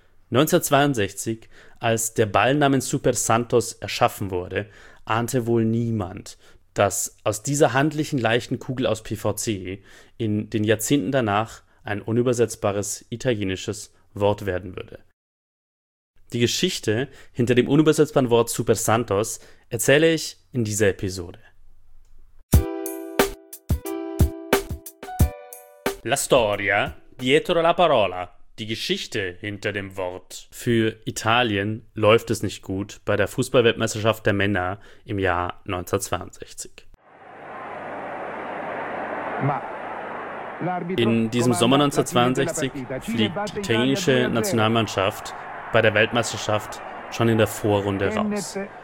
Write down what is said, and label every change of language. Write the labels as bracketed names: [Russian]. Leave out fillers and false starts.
[German] 1962, als der Ball namens Super Santos erschaffen wurde, ahnte wohl niemand, dass aus dieser handlichen leichten Kugel aus PVC in den Jahrzehnten danach ein unübersetzbares italienisches Wort werden würde. Die Geschichte hinter dem unübersetzbaren Wort Super Santos erzähle ich in dieser Episode. [Italian] La storia dietro la parola. [German] Die Geschichte hinter dem Wort. Für Italien läuft es nicht gut bei der Fußballweltmeisterschaft der Männer im Jahr 1962. In diesem Sommer 1962 fliegt die italienische Nationalmannschaft bei der Weltmeisterschaft schon in der Vorrunde raus.